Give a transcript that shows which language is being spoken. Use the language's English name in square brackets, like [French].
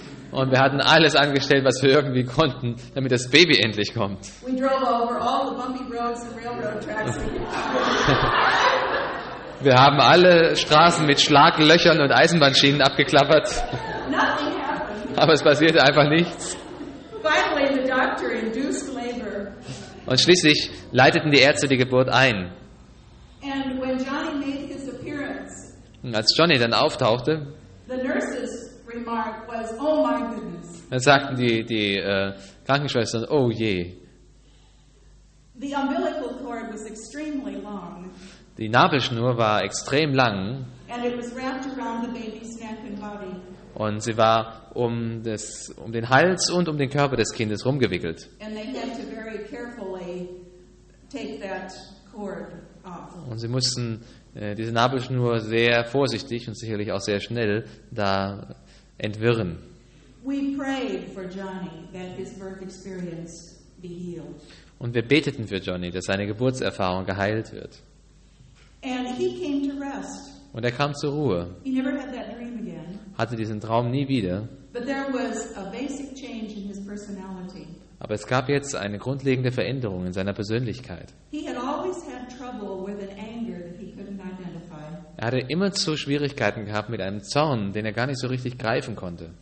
[German] Und wir hatten alles angestellt, was wir irgendwie konnten, damit das Baby endlich kommt. [English] We drove over all the bumpy roads and railroad tracks. [German] Wir haben alle Straßen mit Schlaglöchern und Eisenbahnschienen abgeklappert. [English] Nothing happened. [German] Aber es passierte einfach nichts. [English] Finally, the doctor induced labor. [German] Und schließlich leiteten die Ärzte die Geburt ein. [English] And when Johnny made his appearance, [German] und als Johnny dann auftauchte, [English] the nurses remark was, oh my goodness. [German] Dann sagten die Krankenschwestern, oh je. [English] The umbilical cord was extremely long. [German] Die Nabelschnur war extrem lang [English] and it was wrapped around the baby's neck and body. [German] Und sie war um den Hals und um den Körper des Kindes rumgewickelt. [English] And they had to very carefully take that cord off. [German] Und sie mussten diese Nabelschnur sehr vorsichtig und sicherlich auch sehr schnell da entwirren. [English] We prayed for Johnny that his birth experience be healed. [German] Und wir beteten für Johnny, dass seine Geburtserfahrung geheilt wird. [English] And he came to rest. [German] Und er kam zur Ruhe. [English] He never had that dream again. [German] Hatte diesen Traum nie wieder. [English] But there was a basic change in his personality. [German] Aber es gab jetzt eine grundlegende Veränderung in seiner Persönlichkeit. [English] He had always had trouble with an anger that he couldn't identify. [German] Er hatte immer zu Schwierigkeiten gehabt mit einem Zorn, den er gar nicht so richtig greifen konnte.